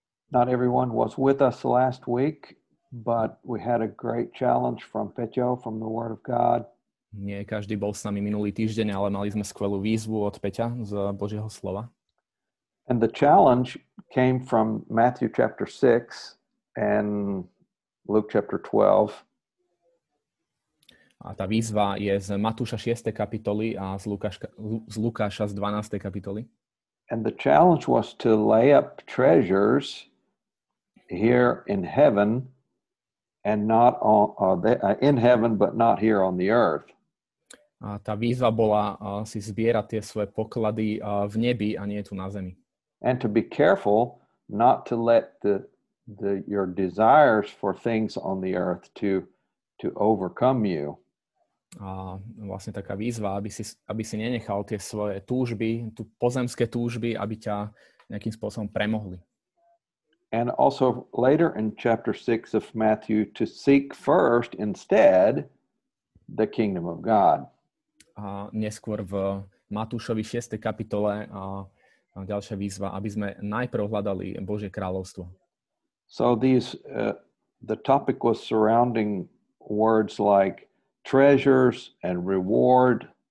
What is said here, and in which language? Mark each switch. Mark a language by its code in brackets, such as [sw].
[en] Not everyone was with us last week, but we had a great challenge from Peťo from the Word of God. [sk] Nie každý bol s nami minulý týždeň, ale mali sme skvelú výzvu od Peťa z Božieho slova. [en] And the challenge came from Matthew chapter 6 and Luke chapter 12. [sk] A tá výzva je z Matúša 6. kapitoly a z Lukáša z 12. kapitoly. [en] And the challenge was to lay up treasures here in heaven and not in heaven but not here on the earth. [sk] A tá výzva bola si zbierať tie svoje poklady v nebi a nie tu na zemi. [en] And to be careful not to let your desires for things on the earth to overcome you. [sk] A vlastne taká výzva, aby si nenechal tie svoje túžby, tú pozemské túžby, aby ťa nejakým spôsobom premohli. [en] And also later in chapter 6 of Matthew to seek first instead the kingdom of God. [sk] A neskôr v Matúšovi 6. kapitole a ďalšia výzva, aby sme najprv hľadali Božie kráľovstvo. [en] So the topic was surrounding words like treasures and reward.